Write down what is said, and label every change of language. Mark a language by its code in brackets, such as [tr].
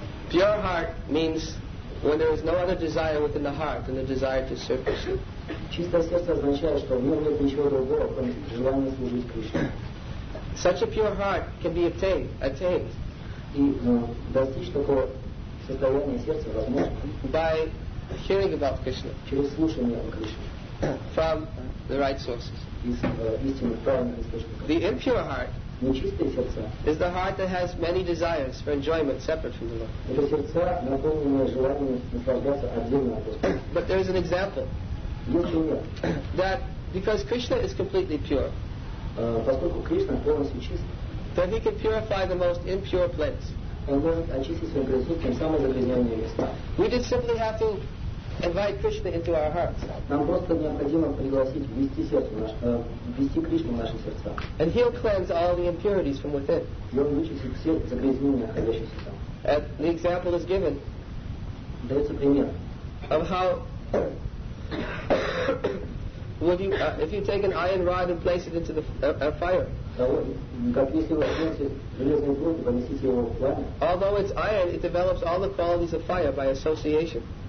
[en] Pure heart means when there is no other desire within the heart than the desire to serve Krishna. [ru] Чистое сердце означает, что в нем нет ничего другого, кроме желания служить Кришне. [en] Such a pure heart can be attained. [ru] И достичь такого состояния сердца возможно. [en] By hearing about Krishna. [ru] Через слушание о Кришне. [en] From the right sources. [ru] Из истинных правильных источников. [en] The impure heart. [ru] Нечистое сердце. [en] Is the heart that has many desires for enjoyment separate from the Lord. [ru] Это сердце, наполненное желанием наслаждаться отдельно от Господа. [en] But there is an example. That because Krishna is completely pure, [ru] поскольку Кришна полностью чист, [en] then he can purify the most impure place. [ru] Он может очистить свои грехи, тем самым загрязнённые места. [en] We just simply have to invite Krishna into our hearts. [ru] Нам просто необходимо пригласить ввести сердце ввести Кришну в наши сердца. [en] And he'll cleanse all the impurities from within. [ru] И он вычистит все загрязнения, находящиеся там. [en] And the example is given. Дается пример. Of how would you, if you take an iron rod and place it into the fire, although it's iron, it develops all the qualities of fire by association.